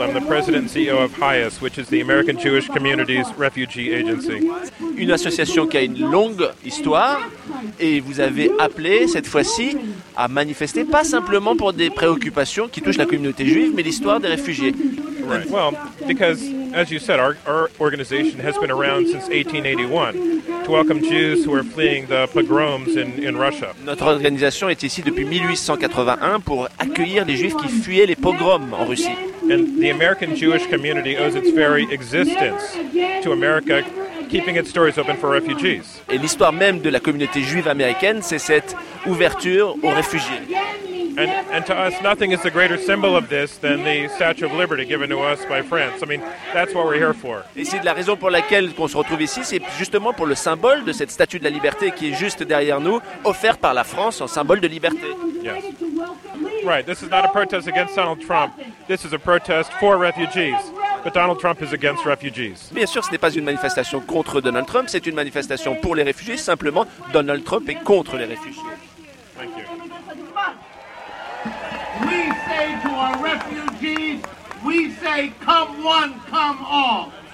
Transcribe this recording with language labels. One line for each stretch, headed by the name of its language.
English: I'm the president and CEO of HIAS, which is the American Jewish Community's refugee agency.
French: Une association qui a une longue histoire, et vous avez appelé cette fois-ci à manifester, pas simplement pour des préoccupations qui touchent la communauté juive, mais l'histoire des réfugiés.
English: Right. Well, because As you said, our organization has been around since 1881 to welcome Jews who are fleeing the pogroms in Russia.
French: Notre organisation est ici depuis 1881 pour accueillir les Juifs qui fuyaient les pogroms en Russie.
English: And the American Jewish community owes its very existence to America keeping its doors open for refugees.
French: Et l'histoire même de la communauté juive américaine, c'est cette ouverture aux réfugiés.
English: And to us, nothing is a greater symbol of this than the Statue of Liberty given to us by France. I mean, that's what we're here for.
French: Et c'est la raison pour laquelle qu'on se retrouve ici, c'est justement pour le symbole de cette Statue de la Liberté qui est juste derrière nous, offerte par la France en symbole de liberté.
English: Yes. Right, this is not a protest against Donald Trump. This is a protest for refugees. But Donald Trump is against refugees.
French: Bien sûr, ce n'est pas une manifestation contre Donald Trump, c'est une manifestation pour les réfugiés. Simplement, Donald Trump est contre les réfugiés.
English: Thank you. We say to our refugees, we say, come one, come all.